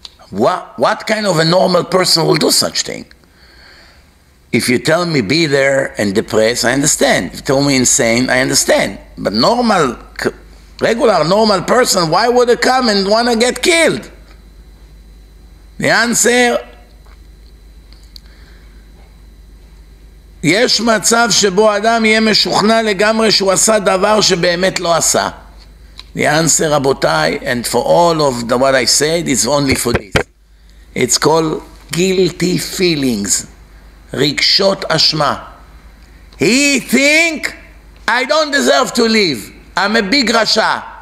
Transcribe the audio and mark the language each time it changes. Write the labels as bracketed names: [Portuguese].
[English] What kind of a normal person will do such thing? If you tell me be there and depressed, I understand. If you tell me insane, I understand. But normal regular, normal person, why would they come and want to get killed? The answer, [Hebrew] יש מצב שבו אדם יהיה משוכנע לגמרי שהוא עשה דבר שבאמת לא עשה. [English] The answer, רבותיי, and for all of the, what I said, is only for this. It's called guilty feelings. [Hebrew] רגשות אשמה. [English] He think, I don't deserve to live. I'm a big רשע.